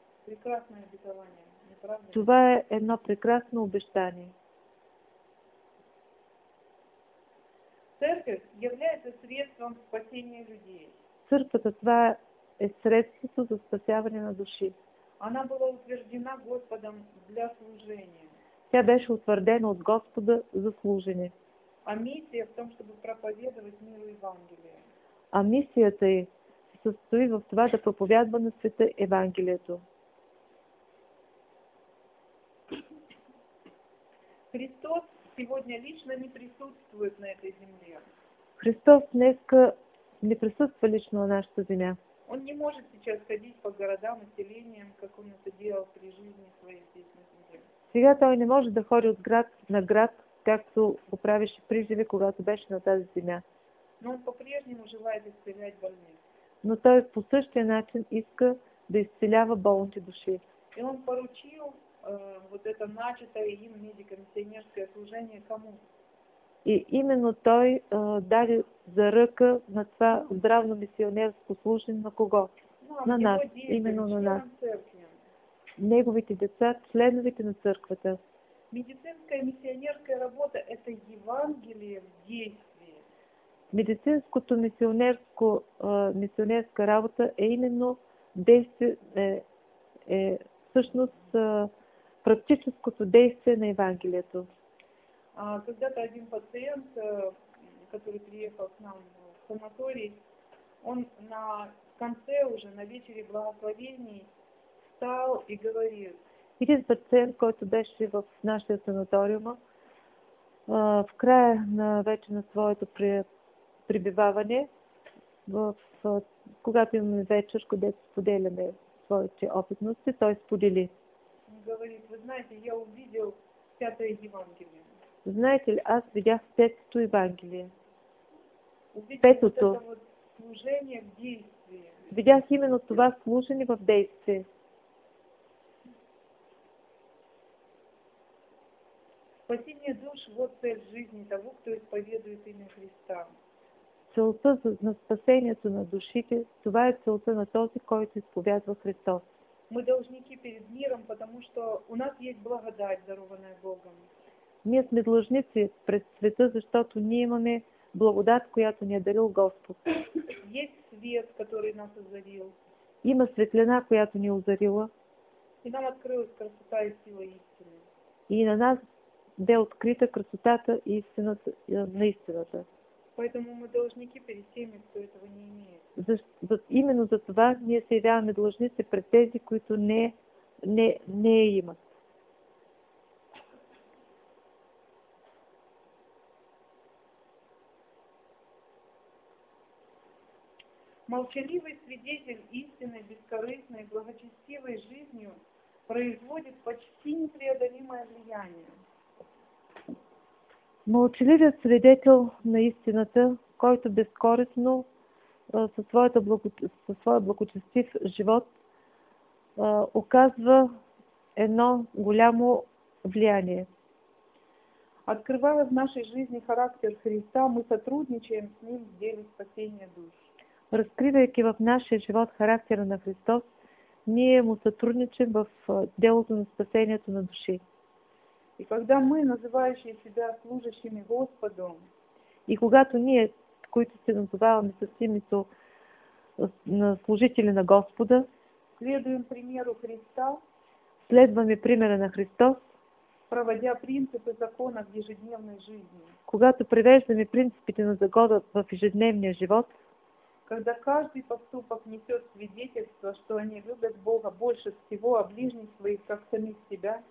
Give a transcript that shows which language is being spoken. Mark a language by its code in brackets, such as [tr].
[ru] Прекрасное обетование. [bg] Това е едно прекрасно обещание. [ru] Церковь является средством спасения людей. [bg] Църквата това е средството за спасяване на души. [ru] Она была утверждена Господом для служения. [bg] Тя беше утвърдена от Господа за служение. [ru] мисия в том, чтобы проповедовать миру Евангелие. [bg] А мисията й се състои в това да проповядва на света Евангелието. [ru] Христос сегодня лично не присутствует на этой земле. [bg] Христос днеска не присутства лично на нашата земя. [ru] Он не может сейчас ходить по городам и селениям, как он это делал при жизни своей здесь на земле. [bg] Сега той не може да ходи от град на град, както го правеше приживе, когато беше на тази земя. [ru] Но он по-прежнему желает исцелять больных. [bg] Но той по същия начин иска да изцелява болните души. [ru] И он поручил вот это начатое им медико-миссионерское служение кому? [bg] И именно той даде за ръка на това здравно-мисионерско служение на кого? [ru] Ну, на нас, дети, именно на нас. [bg] Неговите деца, членовете на църквата. [ru] Медицинская миссионерская работа – это Евангелие в действии. [bg] Медицинското мисионерска работа е именно действие, е всъщност практическото действие на Евангелието. [ru] Когда-то один пациент, который приехал к нам в санаторий, он на конце уже, на вечере благословений, встал и говорил. [bg] Един пациент, който беше в нашия санаториум, в края на вече на своето прибиваване, когато имаме вечер, където споделяме своите опитности, той сподели. [ru] Он говорит, вы знаете, я увидел Пятое Евангелие. [bg] Знаете ли, аз видях Петото Евангелие. Петото. [ru] Вот служение в действии. [bg] Видях именно това служение в действие. [ru] Спасение душ – вот цель жизни того, кто исповедует имя Христа. [bg] Целта на спасението на душите – това е целта на този, който изповядва Христос. [ru] Мы должники перед миром, потому что у нас есть благодать, дарованная Богом. [bg] Ние сме длъжници пред света, защото ние имаме благодат, която ни е дарил Господ. [ru] Есть свет, который нас озарил. [bg] Има светлина, която ни е озарила. [ru] И нам открылась красота и сила истины. [bg] И на нас бе открыта красотата и истината, на истината. [ru] Поэтому мы должники перед теми, кто этого не имеет. [bg] Именно за това ние се явяваме длъжници пред тези, които не имат. [ru] Молчаливый свидетель истинной, бескорыстной, благочестивой жизнью производит почти непреодолимое влияние. [bg] Молчаливият свидетел на истината, който безкорисно със своя благочестив живот оказва едно голямо влияние. [ru] Открывая в нашей жизни характер Христа, мы сотрудничаем с Ним в деле спасения душ. [bg] Разкривайки в нашия живот характера на Христос, ние му сътрудничим в делото на спасението на души. [ru] И когда мы, называющие себя служащими Господу, [bg] и когато ние, които се называваме с името на служители на Господа, [ru] следуем примеру Христа, [bg] следваме примера на Христос, [ru] проводя принципы закона в ежедневной жизни, [bg] когато привеждаме принципите на закона в ежедневния живот, [ru] когда каждый поступок несет свидетельство, что они любят Бога больше всего, а ближних своих, как самих себя.